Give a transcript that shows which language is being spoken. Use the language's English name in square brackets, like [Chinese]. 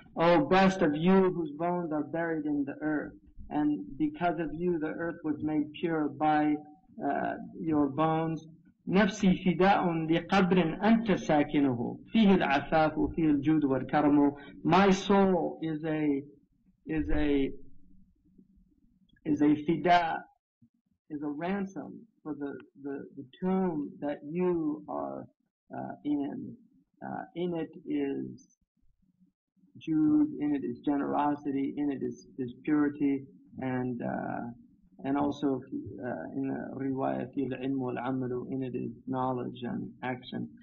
[English] Oh, best of you whose bones are buried in the earth, and because of you the earth was made pure by your bones. [Arabic] نفسي فداء لقبر أنت ساكنه فيه العفاف وفيه الجود والكرم. [English] My soul is a فداء, is a ransom for the tomb that you are in. In it is Jude, in it is generosity, in it is purity, and also in the riwayat al-ilm wal-amal, in it is knowledge and action.